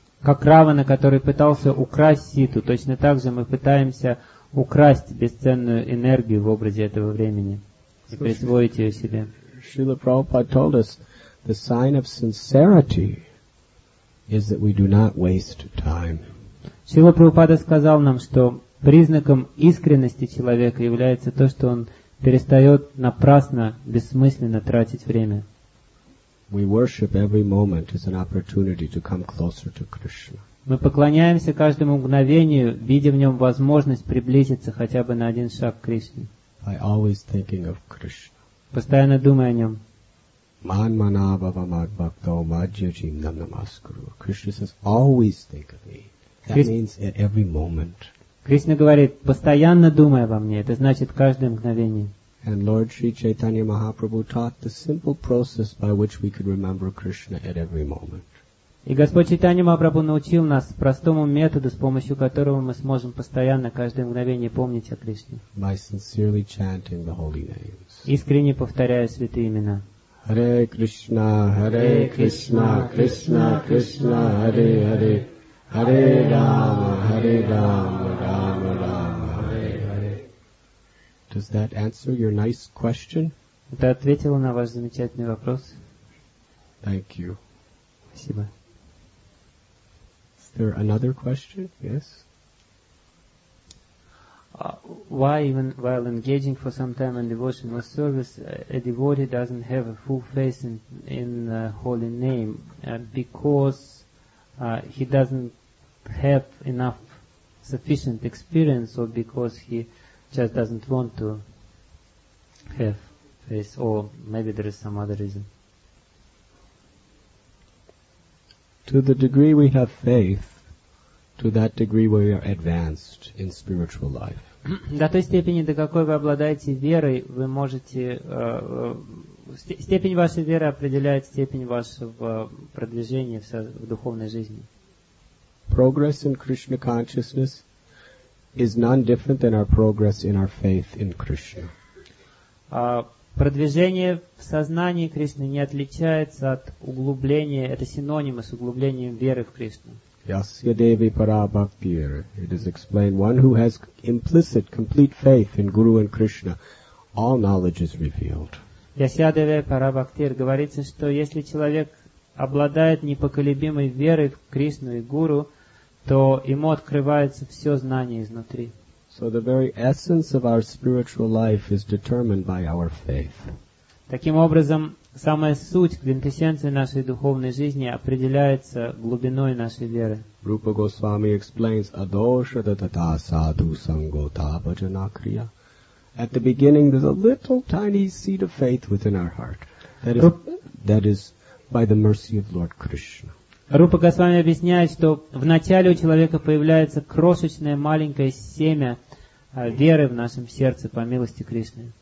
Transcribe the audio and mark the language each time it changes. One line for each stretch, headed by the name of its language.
Russian: Как Равана, который пытался украсть Ситу, точно так же мы пытаемся украсть бесценную энергию в образе этого времени и присвоить ее себе.
English: Srila Prabhupada told us the sign of sincerity is that we do not waste time.
Russian: Srila Prabhupada сказал нам, что признаком искренности человека является то, что он перестает напрасно, бессмысленно тратить время.
English: We worship every moment as an opportunity to come closer to Krishna.
Russian: Мы поклоняемся каждому мгновению, видя в нем возможность приблизиться хотя бы на один шаг к Кришне.
English: By always thinking of Krishna.
Russian: Постоянно думая о нем.
Sanskrit: Man manabhava mad bhakto madhyajim nam namaskuru.
English: Krishna says, always think of me. That means at every moment.
Russian: Кришна говорит, постоянно думая обо мне. Это значит каждое мгновение.
English: And Lord Sri Chaitanya Mahaprabhu taught the simple process by which we could remember Krishna at every moment.
Russian: И Господь Чайтанья Махапрабху научил нас простому методу, с помощью которого мы сможем постоянно, каждое мгновение помнить о Кришне.
English: By sincerely chanting the holy names.
Russian: Искренне повторяя святые имена.
Sanskrit: Hare Krishna, Hare Krishna, Krishna Krishna, Hare Hare, Hare Rama, Hare Rama, Rama Rama, Hare Hare.
English: Does that answer your nice question?
Russian: Это ответило на ваш замечательный вопрос?
English: Thank you.
Russian: Спасибо.
English: Is there another question? Yes. Why even while engaging for some time in devotional service, a devotee doesn't have a full faith in the holy name? Because he doesn't have enough sufficient experience, or because he just doesn't want to have faith, or maybe there is some other reason. To the degree we have faith, to that degree we are advanced in spiritual life.
Russian: До той степени, до какой вы обладаете верой, вы можете... Степень вашей веры определяет степень вашего продвижения в духовной жизни.
English: Progress in Krishna consciousness is none different than our progress in our faith in Krishna.
Russian: Продвижение в сознании Кришны не отличается от углубления, это синонимы с углублением веры в Кришну.
Sanskrit: Yasya Devi Parabhaktir.
English: It is explained, one who has implicit, complete faith in Guru and Krishna, all knowledge is revealed.
Sanskrit: Yasya Devi Parabhaktir.
Russian: Говорится, что если человек обладает непоколебимой верой в Кришну и Гуру, то ему открывается все знание изнутри.
English: So the very essence of our spiritual life is determined by our faith.
Russian: Таким образом, самая суть квинтэссенции нашей духовной жизни определяется глубиной нашей веры.
Sanskrit: Rupa Goswami explains adosha tatata sadhu sangota bhajanakriya.
English: At the beginning, there's a little tiny seed of faith within our heart. That is by the mercy of Lord Krishna.
Russian: Rupa Goswami объясняет, что в начале у человека появляется крошечное маленькое семя веры в нашем сердце по милости Кришны.